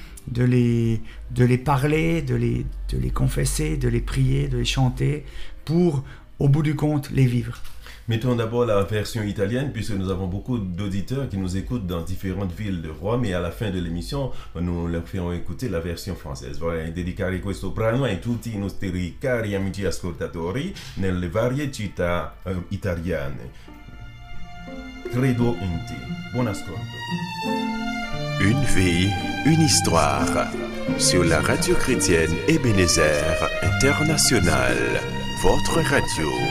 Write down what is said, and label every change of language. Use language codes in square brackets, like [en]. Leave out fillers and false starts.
[fr] de les parler, de les confesser, de les prier, de les chanter, pour, au bout du compte, les vivre. Mettons d'abord la version italienne, puisque nous avons beaucoup d'auditeurs qui nous écoutent dans différentes villes de Rome, et à la fin de l'émission, nous leur ferons écouter la version française. [it] Voilà, dedicare questo brano a tutti i nostri cari amici ascoltatori nelle varie città italiane. Credo in te. Buon ascolto. [fr] Une vie, une histoire sur la radio chrétienne Ebenezer International, votre radio.